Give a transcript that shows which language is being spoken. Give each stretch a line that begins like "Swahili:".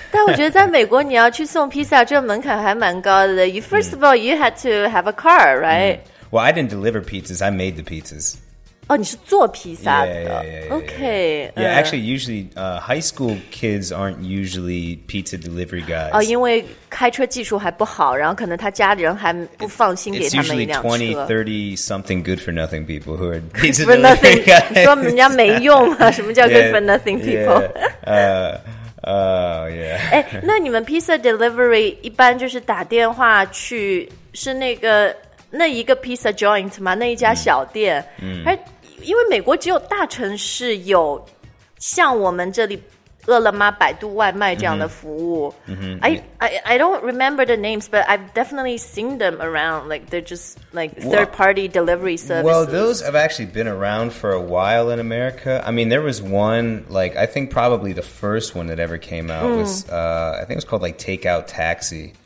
Chinese: 但我觉得在美国你要去送披萨这个门槛还蛮高的。
English: You, first of all, you had to have a car, right? Well, I didn't deliver pizzas, I made the pizzas.
Chinese: 哦，你是做披萨的。
English: yeah. OK. Yeah, actually, usually, high school kids aren't usually pizza delivery guys.
Chinese: 哦，因为开车技术还不好，然后可能他家里人还不放心给他们一辆车。
English: It's usually 20, 30 something good for nothing people who are pizza delivery guys. For nothing,
Chinese: 你说人家没用吗？什么叫
English: good for nothing people? Yeah.
Chinese: 哎，那你们 pizza delivery 一般就是打电话去，是那个那一个 pizza joint 吗？那一家小店？而因为美国只有大城市有像我们这里饿了么、百度外卖这样的服务。
English: I don't remember the names, but I've definitely seen them around. Like they're just like third party delivery services. Well, those have actually been around for a while in America. I mean, there was one, like I think probably the first one that ever came out was, I think it was called like Takeout Taxi.